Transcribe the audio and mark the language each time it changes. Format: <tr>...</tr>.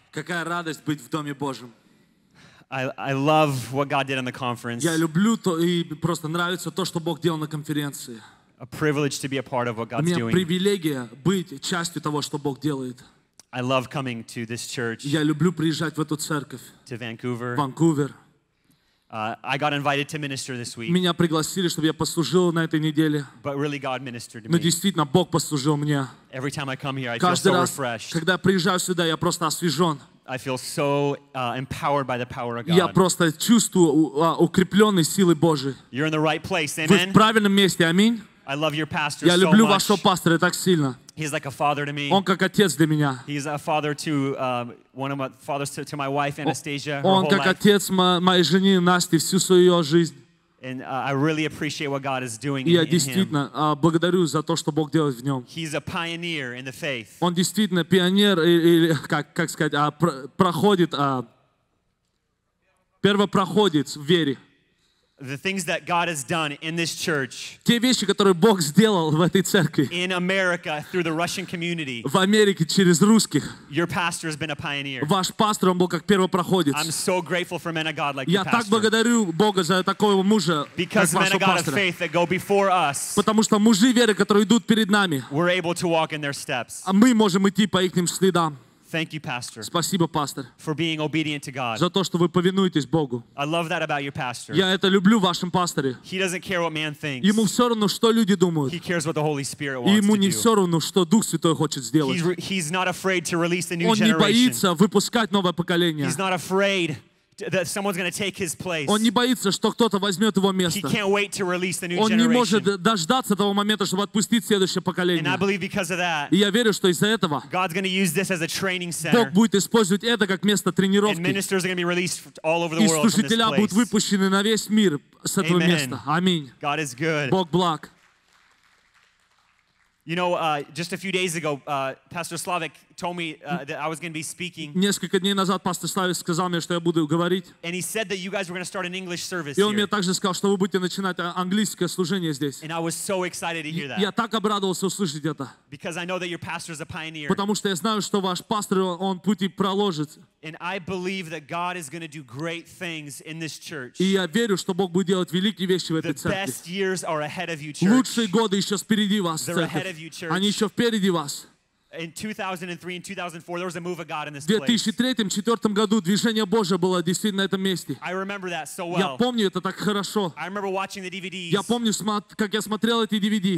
<ru>Какая радость быть в Доме Божьем.</ru> <en>I love what God did on the conference.</en> <ru>Я люблю то и просто нравится то, что Бог делал на конференции.</ru> <en>A privilege to be a part of what God's doing.</en> <ru>У меня привилегия быть частью того, что Бог делает.</ru> <en>I love coming to this church.</en> <ru>Я люблю приезжать в эту церковь.</ru> <en>To Vancouver.</en> <ru>Ванкувер.</ru> <en>I got invited to minister this week.</en> <ru>Меня пригласили, чтобы я послужил на этой неделе.</ru> <en>But really God ministered to me.</en> <ru>Но действительно Бог послужил мне.</ru> <en>Every time I come here, I feel so refreshed.</en> <ru>Когда я приезжаю сюда, я просто освежен.</ru> <en>I feel so empowered by the power of God.</en> <ru>Я просто чувствую укрепленной силы Божьей.</ru> <en>You're in the right place, amen.</en> <ru>Вы в правильном месте, аминь.</ru> <en>I love your pastor so much.</en> <ru>Я люблю вашего пастора так сильно.</ru> <en>He's like a father to me.</en> <ru>Он как отец для меня.</ru> <en>He's a father to one of my fathers to my wife Anastasia.</en> <ru>Он как отец моей жене Насте всю свою жизнь.</ru> <en>And I really appreciate what God is doing in him.</en> <ru>Я действительно благодарю за то, что Бог делает в нем.</ru> <en>He's a pioneer in the faith.</en> <ru>Он действительно пионер или как сказать, проходит первопроходец в вере.</ru> <en>The things that God has done in this church,</en> <ru>те вещи, которые Бог сделал в этой церкви,</ru> <en>in America through the Russian community,</en> <ru>в Америке через русских,</ru> <en>your pastor has been a pioneer.</en> <ru>Ваш пастор, он был как первопроходец.</ru> <en>I'm so grateful for men of God like your pastor.</en> <ru>Я так благодарю Бога за такого мужа,</ru> <en>because</en> <ru>как</ru> <en>men of God of faith that go before us,</en> <ru>потому что мужи веры, которые идут перед нами,</ru> <en>we're able to walk in their steps.</en> <ru>А мы можем идти по ихним следам.</ru> <en>Thank you, Pastor.</en> <ru>Спасибо, пастор.</ru> <en>For being obedient to God.</en> <ru>За то, что вы повинуетесь Богу.</ru> <en>I love that about your pastor.</en> <ru>Я это люблю в вашем пасторе.</ru> <en>He doesn't care what man thinks.</en> <ru>Ему все равно, что люди думают.</ru> <en>He cares what the Holy Spirit wants to do.</en> <ru>Ему не все равно, что Дух Святой хочет сделать.</ru> <en>He's not afraid to release the new generation.</en> <ru>Он не боится выпускать новое поколение.</ru> <en>He's not afraid that someone's going to take his place.</en> <ru>Он не боится, что кто-то возьмет его место.</ru> <en>He can't wait to release the new generation.</en> <ru>Он не может дождаться того момента, чтобы отпустить следующее поколение.</ru> <en>And I believe because of that.</en> <ru>И я верю, что из-за этого.</ru> <en>God's going to use this as a training center.</en> <ru>Бог будет использовать это как место тренировки.</ru> <en>And ministers are going to be released all over the world.</en> <ru>И служители будут выпущены на весь мир с этого места. Аминь.</ru> <en>God is good.</en> <ru>Бог благ.</ru> <en>You know, just a few days ago, Pastor Slavik told me that I was going to be speaking.</en> <ru>Несколько дней назад пастор Славик сказал мне, что я буду говорить.</ru> <en>And he said that you guys were going to start an English service.</en> <ru>И он мне также сказал, что вы будете начинать английское служение здесь.</ru> <en>And I was so excited to hear that.</en> <ru>Я так обрадовался услышать это.</ru> <en>Because I know that your pastor is a pioneer.</en> <ru>Потому что я знаю, что ваш пастор он пути проложит.</ru> <en>And I believe that God is going to do great things in this church.</en> <ru>И я верю, что Бог будет делать великие вещи в этой церкви.</ru> <en>The best years are ahead of you, church.</en> <ru>Лучшие годы еще впереди вас, церковь.</ru> <en>They're ahead of you, church.</en> <ru>Они еще впереди вас.</ru> <en>In 2003 and 2004, there was a move of God in this place.</en> <ru>В 2003-2004 году движение Божье было действительно на этом месте.</ru> <en>I remember that so well.</en> <ru>Я помню это так хорошо.</ru> <en>I remember watching the DVDs.</en> <ru>Я помню, как я смотрел эти DVD.</ru>